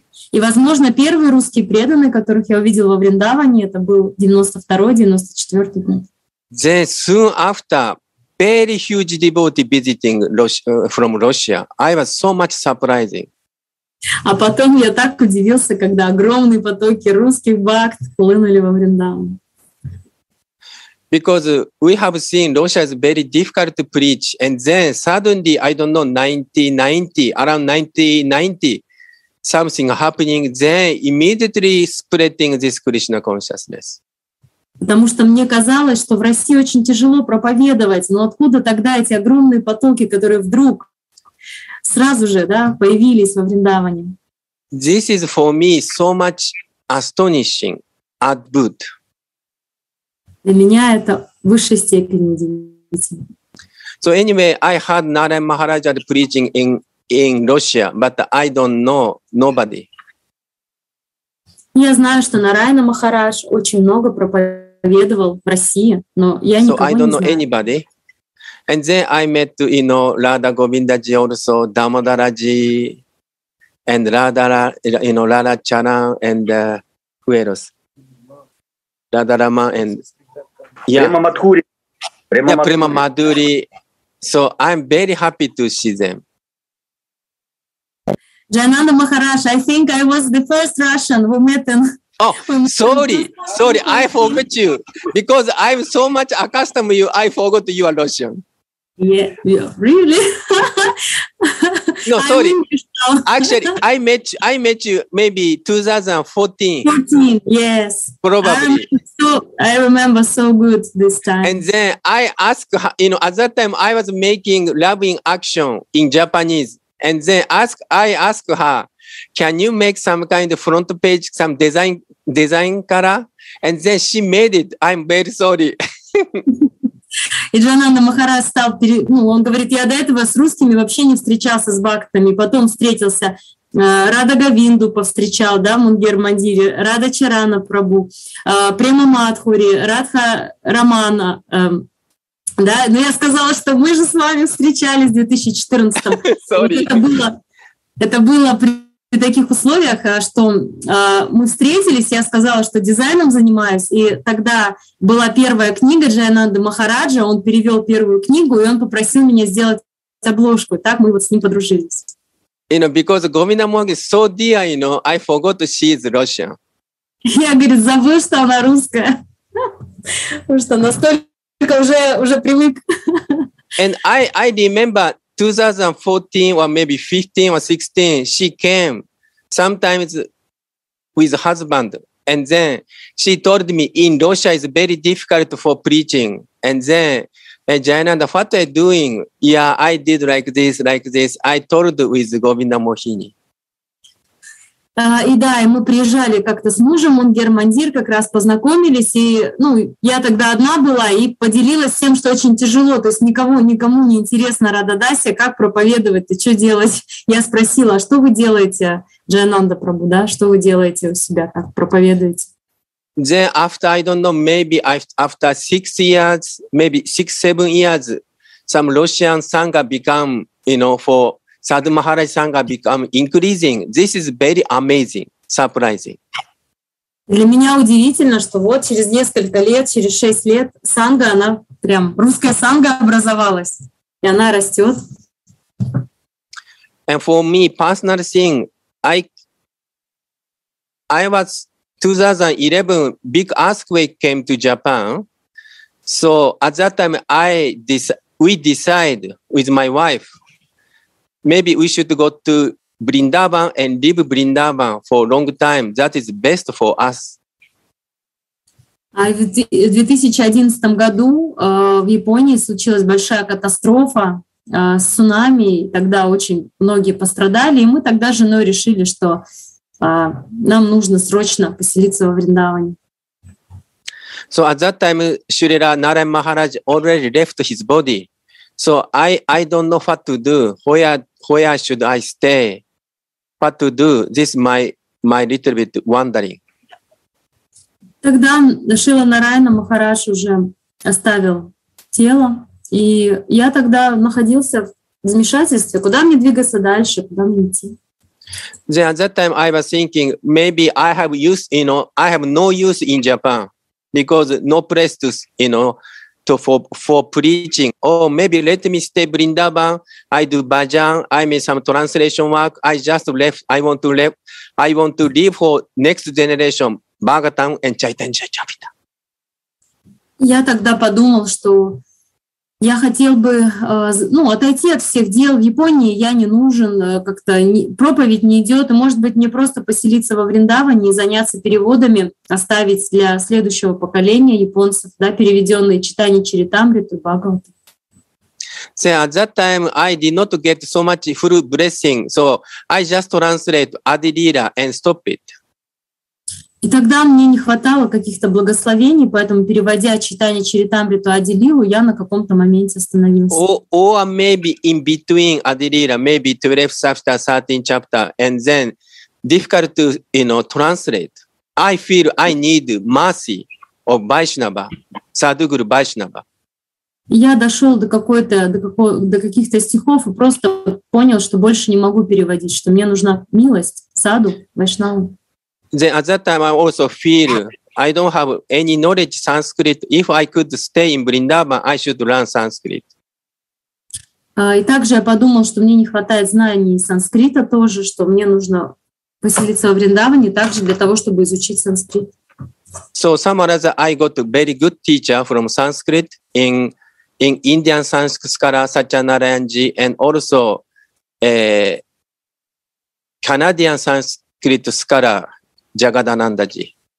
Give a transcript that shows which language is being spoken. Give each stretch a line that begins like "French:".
Russian: И, возможно, первый русский преданный, которых я увидел во Вриндаване, это был 92-94 год.
English: Then soon after, very huge devotee visiting Russia, from Russia. I was so much surprising.
Russian: А потом я так удивился, когда огромные потоки русских бхакт хлынули во Вриндаван.
English: Because we have seen Russia is very difficult to preach, and then suddenly, I don't know, 1990, something happening, then immediately spreading this Krishna consciousness.
Russian: Потому что мне казалось, что в России очень тяжело проповедовать, но откуда тогда эти огромные потоки, которые вдруг сразу же, да, появились во Вриндаване?
English: This is for me so much astonishing, adbhut.
Russian: Для меня это в высшей степени удивительно.
English: So anyway, I heard Narayan Maharaj preaching in Russia, but I don't know nobody.
Russian: Я знаю, что Нарайана Махарадж очень много проповедовал в России, но я никого не знаю.
English: So I don't know anybody. And then I met, you know, Radha Govindaji also, Damodaraji, and Radha, you know, Radha Charan, and who else? Radha Rama and... Yeah, Prema Madhuri. So I'm very happy to see them. Jayananda Maharaj, I think I was the first Russian who met him. Oh, sorry, I forgot you. Because I'm so much accustomed to you, I forgot you are Russian. Yeah, really? No, sorry. Actually, I met you maybe 2014. 14, yes. Probably. I remember so good this time. And then I asked, you know, at that time I was making loving action in Japanese. And then I asked her, can you make some kind of front page, some design color? And then she made it. I'm very sorry.
Russian: И Джананда Махарадж стал, ну, он говорит, я до этого с русскими вообще не встречался, с бхактами, потом встретился, Радха Говинду повстречал, да, Мунгер Мандире, Радха Чарана Прабу, Према Мадхури, Радха Романа, да, но я сказала, что мы же с вами встречались в 2014-м. При таких условиях, что мы встретились, я сказала, что дизайном занимаюсь, и тогда была первая книга Джайананда Махараджа, он перевел первую книгу, и он попросил меня сделать обложку. Так мы вот с ним подружились.
English: You know, because Govinda Mohan is so dear, you know, I forgot that she is Russian.
Russian: Я, говорит, забыл, что она русская. Потому что настолько уже привык.
English: And I remember... 2014 or maybe 15 or 16, she came sometimes with husband, and then she told me in Russia is very difficult for preaching. And then Jayananda, what are you doing? Yeah, I did like this. I told with Govinda Mohini.
Russian: И да, и мы приезжали как-то с мужем, он Мунгер-Мандир, как раз познакомились, и, ну, я тогда одна была и поделилась тем, что очень тяжело, то есть никому не интересно Радхадасия, как проповедовать, и что делать. Я спросила, а что вы делаете, Джайананда Прабу, да, что вы делаете у себя, как проповедуете?
English: Then after, I don't know, maybe after 6 years, maybe 6-7 years, some Russian sangha become, you know, for... Sadhu Maharaj Sangha become increasing. This is very amazing, surprising.
Russian: Для меня удивительно, что вот через несколько лет, через 6 лет, Сангха, она прям, русская Сангха образовалась, и она растет.
English: And for me, personal thing, I was 2011, big earthquake came to Japan. So at that time, we decide with my wife, maybe we should go to Vrindavan and live Vrindavan for a long time. That is best for us.
Russian: А в 2011 году в Японии случилась большая катастрофа с цунами. Тогда очень многие пострадали, и мы тогда с женой решили, что нам нужно срочно поселиться во Вриндаване.
English: So at that time, Śrīla Nārayana Mahārāja already left his body. So I don't know what to do. Where should I stay? What to do? This is my little bit wondering.
Russian: Тогда Шрила Нарайана Махарадж уже оставил тело, и я тогда находился в замешательстве, куда мне двигаться дальше, куда мне идти.
English: Then at that time I was thinking maybe I have use, you know, I have no use in Japan because no place to, you know, to for preaching. Or maybe let me stay Vrindavan. I do bhajan. I make some translation work. I just left. I want to leave for next generation. Bhagatam and Chaitanya Charita.
Russian: Я тогда подумал, что я хотел бы, ну, отойти от всех дел. В Японии я не нужен, как-то проповедь не идет. Может быть, мне просто поселиться во Вриндаване и заняться переводами, оставить для следующего поколения японцев, да, переведенные читания Чаритамриты, Бхагаваты.
English: So at that time I did not get so much full blessing, so I just translate Adilila and stop it.
Russian: И тогда мне не хватало каких-то благословений, поэтому переводя читание Чаритамриту Адилилу, я на каком-то моменте остановился.
English: Or maybe in between Adilila, maybe 12th chapter, 13th chapter, and then difficult to, you know, translate. I feel I need mercy of Vaishnava, Sadhguru Vaishnava.
Russian: Я дошел до каких-то стихов и просто понял, что больше не могу переводить, что мне нужна милость, саду, вайшнава.
English: Then at that time I also feel I don't have any knowledge Sanskrit. If I could stay in Vrindavan, I should learn Sanskrit.
Russian: И также я подумал, что мне не хватает знаний санскрита тоже, что мне нужно поселиться во Вриндаване также для того, чтобы изучить санскрит.
English: So summarize, I got a very good teacher from Sanskrit in Indian Sanskara Satyanarayanji and also Canadian Sanskrit Skara. Джагадананда-джи.